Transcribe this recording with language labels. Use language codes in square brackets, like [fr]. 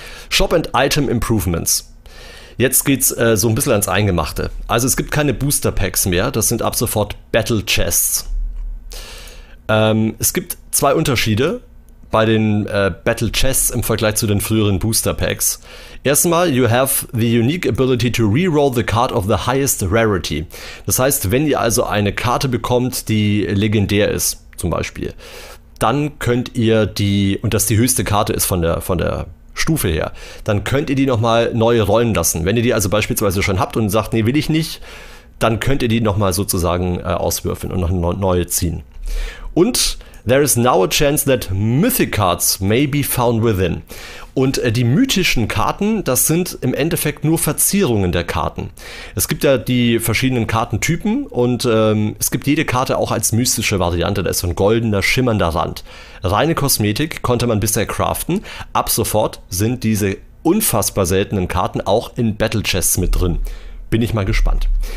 [en] Shop and Item Improvements. [de] Jetzt geht's so ein bisschen ans Eingemachte. Also es gibt keine Booster Packs mehr, das sind ab sofort Battle Chests. Es gibt zwei Unterschiede bei den Battle Chests im Vergleich zu den früheren Booster Packs. [en] Erstmal, you have the unique ability to reroll the card of the highest rarity. [de] Das heißt, wenn ihr also eine Karte bekommt, die legendär ist, zum Beispiel, dann könnt ihr die, und das die höchste Karte ist von der Stufe her, dann könnt ihr die nochmal neu rollen lassen. Wenn ihr die also beispielsweise schon habt und sagt, nee, will ich nicht, dann könnt ihr die nochmal sozusagen auswürfeln und noch eine neue ziehen. [en] Und there is now a chance that mythic cards may be found within. [de] Und die mythischen Karten, das sind im Endeffekt nur Verzierungen der Karten. Es gibt ja die verschiedenen Kartentypen und es gibt jede Karte auch als mystische Variante. Da ist so ein goldener, schimmernder Rand. Reine Kosmetik konnte man bisher craften. Ab sofort sind diese unfassbar seltenen Karten auch in Battle Chests mit drin. Bin ich mal gespannt.